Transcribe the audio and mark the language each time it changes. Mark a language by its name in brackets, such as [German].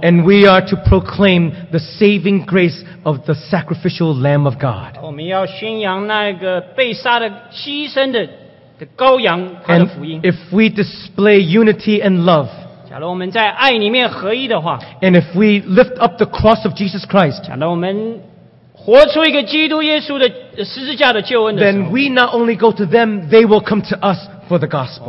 [English] And we are to proclaim the saving grace of the sacrificial Lamb of God. [Chinese] 我们要宣扬那个被杀的牺牲的。 [English] And if we display unity and love, and if we lift up the cross of Jesus Christ, then we not only go to them, they will come to us for the gospel.